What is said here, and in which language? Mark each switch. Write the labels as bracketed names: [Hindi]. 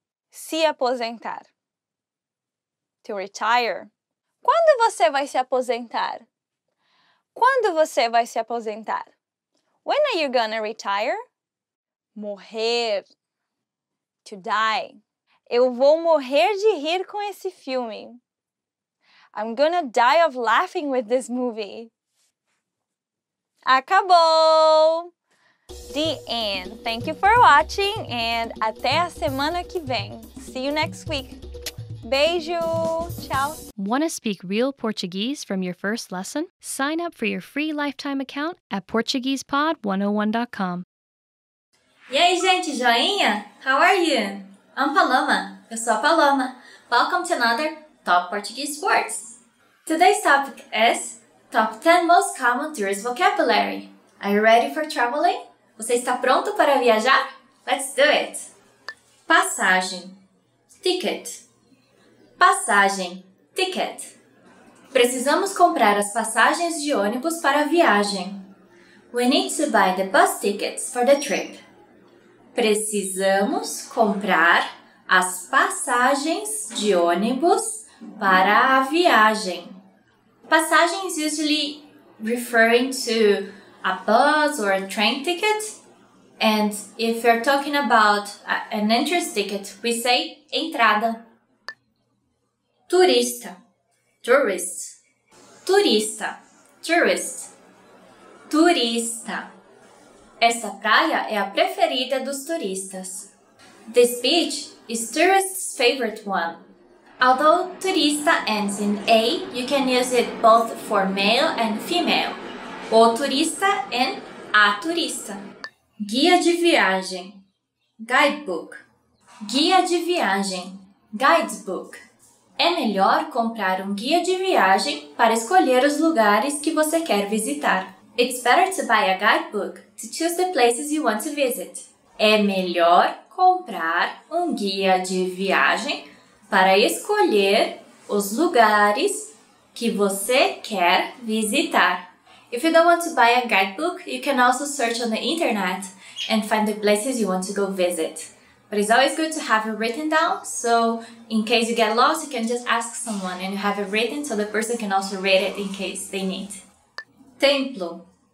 [Portuguese] Se aposentar. [English] To retire. [Portuguese] Quando você vai se aposentar? Quando você vai se aposentar? [English] When are you gonna retire? Morrer. To die. [Portuguese] Eu vou morrer de rir com esse filme. [English] I'm gonna die of laughing with this movie. [Portuguese] Acabou! [English] The end. Thank you for watching and [Portuguese] até a semana que vem. [English] See you next week. [Portuguese] Beijo! Tchau! [English] Want to speak real Portuguese from your first lesson? Sign up for your free lifetime account at PortuguesePod101.com. [Portuguese] E aí, gente, joinha? [English] How are you? I'm Paloma. [Portuguese] Eu sou a Paloma. [English] Welcome to another Top Portuguese Words. Today's topic is Top 10 Most Common Tourist Vocabulary. Are you ready for traveling? [Portuguese] Você está pronto para viajar? [English] Let's do it! Passagem. Ticket. Passagem. Ticket. [Portuguese] Precisamos comprar as passagens de ônibus para a viagem. [English] We need to buy the bus tickets for the trip. [Portuguese] Precisamos comprar as passagens de ônibus para a viagem. [English] Passagens usually referring to a bus or a train ticket. And if you're talking about an entrance ticket, we say entrada. [Portuguese] Turista. [English] Tourist. [Portuguese] Turista. [English] Tourist. [Portuguese] Turista. Essa praia é a preferida dos turistas. [English] This beach is tourists' favorite one. Although turista ends in A, you can use it both for male and female. [Portuguese] O turista and a turista. Guia de viagem. [English] Guidebook. [Portuguese] Guia de viagem. [English] Guidebook. [Portuguese] É melhor comprar um guia de viagem para escolher os lugares que você quer visitar. [English] It's better to buy a guidebook to choose the places you want to visit. [Portuguese] É melhor comprar um guia de viagem para escolher os lugares que você quer visitar. [English] If you don't want to buy a guidebook, you can also search on the internet and find the places you want to go visit. But it's always good to have it written down, so in case you get lost, you can just ask someone and you have it written so the person can also read it in case they need. [Portuguese] Templo.